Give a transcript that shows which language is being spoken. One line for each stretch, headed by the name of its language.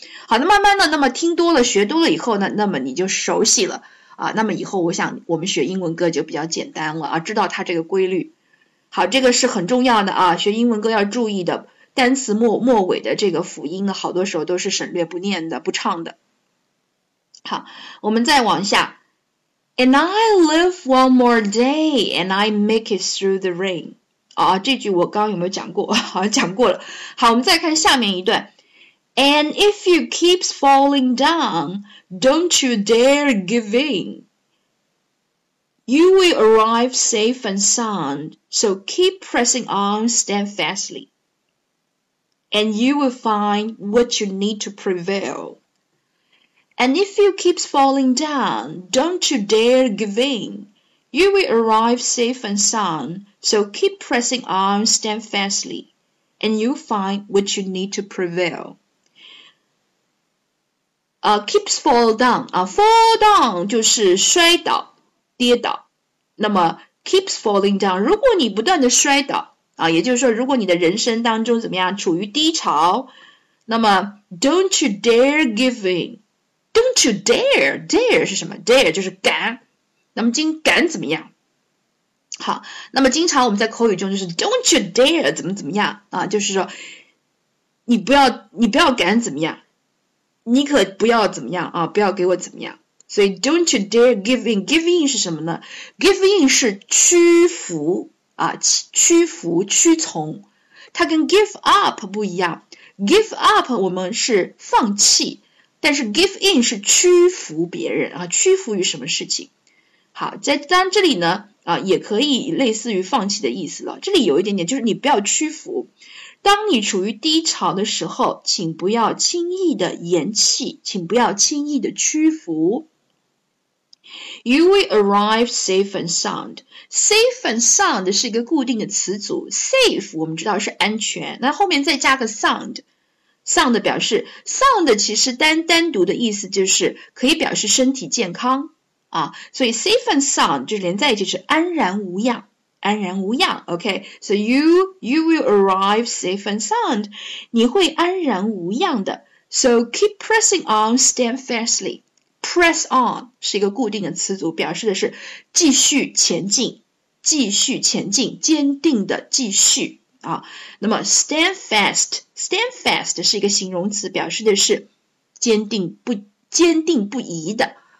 Chinese: 好，那慢慢的，那么听多了学多了以后呢，那么你就熟悉了啊，那么以后我想我们学英文歌就比较简单了啊，知道它这个规律。好，这个是很重要的啊，学英文歌要注意的，单词末尾的这个辅音呢，好多时候都是省略不念的不唱的。好，我们再往下。
English: And I live one more day and I make it through the rain.
Chinese: 啊，这句我刚刚有没有讲过？好，讲过了。好，我们再看下面一段。
English: And if you keep falling down, don't you dare give in. You will arrive safe and sound, so keep pressing on steadfastly. And you will find what you need to prevail. And if you keep falling down, don't you dare give in. You will arrive safe and sound, so keep pressing on steadfastly, and you'll find what you need to prevail. Keeps fall down, fall down
Chinese: 就是摔倒、跌倒。那么 keeps falling down, 如果你不断的摔倒啊，也就是说，如果你的人生当中怎么样处于低潮，那么
English: don't you dare giving,
Chinese: don't you dare, dare 是什么 ？dare 就是敢。那么今敢怎么样？好，那么经常我们在口语中就是 don't you dare 怎么怎么样啊，就是说你不要敢怎么样，你可不要怎么样啊，不要给我怎么样。所以
English: don't you dare give in，
Chinese: give in 是什么呢？ give in 是屈服啊，屈服屈从，它跟 give up 不一样。 give up 我们是放弃，但是 give in 是屈服别人啊，屈服于什么事情。好，在当这里呢啊，也可以类似于放弃的意思了。这里有一点点，就是你不要屈服。当你处于低潮的时候，请不要轻易的言弃，请不要轻易的屈服。
English: You will arrive safe and sound. Safe and sound
Chinese: 是一个固定的词组。Safe 我们知道是安全，那后面再加个 sound。 Sound 表示 sound 其实单独的意思就是可以表示身体健康。啊，所以 safe and sound 就连在一起是安然无恙，安然无恙。
English: OK， so you will arrive safe and sound，
Chinese: 你会安然无恙的。
English: So keep pressing on steadfastly，
Chinese: press on 是一个固定的词组，表示的是继续前进，继续前进，坚定的继续啊。那么 steadfast 是一个形容词，表示的是坚定不移的。